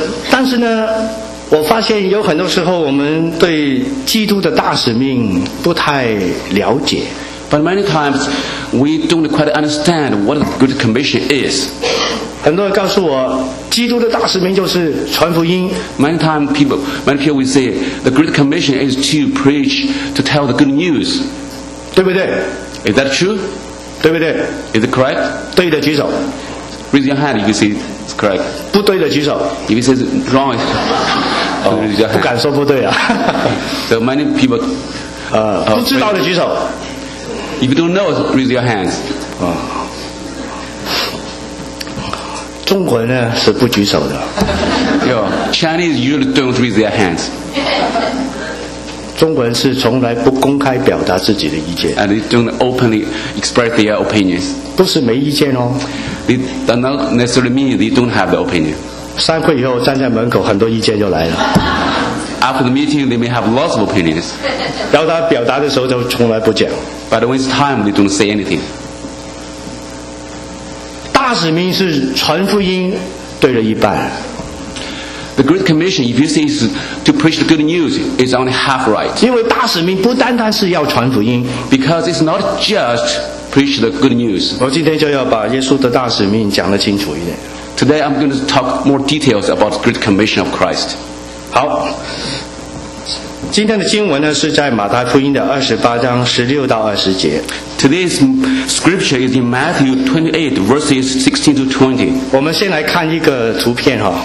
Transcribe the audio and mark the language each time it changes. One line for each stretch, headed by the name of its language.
Chinese: 但是呢，我发现有很多时候我们对基督的大使命不太了解。
English: But many times, we don't quite understand what the Great Commission is.
Chinese: 很多人告诉我，基督的大使命就是传福音。
English: Many people will say the Great Commission is to preach, to tell the good news.
Chinese: 对不对？
English: Is that true?
Chinese: 对不对？
English: Is it correct?
Chinese: 对的举手。
English: Raise your hand if you say it's correct.
Chinese: 不对的举手。
English: If you say it's wrong, raise your hand.
Chinese: 不敢说不对啊。
English: So many people,
Chinese: 不知道的举手。
English: If you don't know, raise your hands.
Chinese: 中国人呢是不举手的。
English: Yo, Chinese usually don't raise their hands.
Chinese: 中国人是从来不公开表达自己的意见。
English: And they don't openly express their opinions.
Chinese: 不是没意见哦。
English: they do not necessarily mean they don't have the opinion.
Chinese: 散会以后站在门口很多意见就来了。
English: After the meeting, they may have lots of opinions.
Chinese: 要他表达的时候就从来不讲。
English: But when it's time, they don't say anything.
Chinese: 大使命是传福音对了一半。
English: The Great Commission, if you say it's to preach the good news, is only half right.
Chinese: 因为大使命不单单是要传福音。
English: Because it's not just preach the good news.
Chinese: 我今天就要把耶稣的大使命讲得清楚一点。
English: Today I'm going to talk more details about the Great Commission of Christ.
Chinese: 好，今天的经文呢是在马太福音的二十八章十六到二十节。
English: Today's scripture is in Matthew 28 verses 16 to 20.
Chinese: 我们先来看一个图片哈。